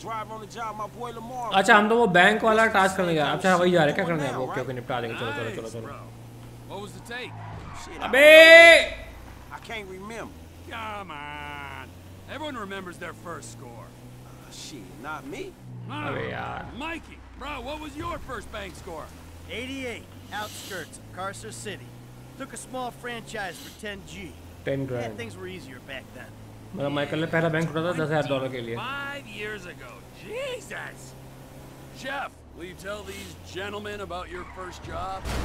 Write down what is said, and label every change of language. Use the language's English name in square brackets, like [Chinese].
[Hindi] अच्छा हम तो वो बैंक वाला टास्क करने गया, अच्छा वही जा रहे क्या करने, वो क्यों निपटा देंगे, चलो चलो चलो चलो। अबे [English] I can't remember. Come on. Everyone remembers their first score. Shit, not me. Oh yeah. Mikey, bro, what was your first bank score? 88, outskirts of Carcer City. Took a small franchise for 10G. 10 grand. Yeah, things were easier back then. [Hindi] मतलब Michael ने पहला bank खोला था $10,000 के लिए। [English] 5 years ago. Jesus. Jeff, will you tell these gentlemen about your first job?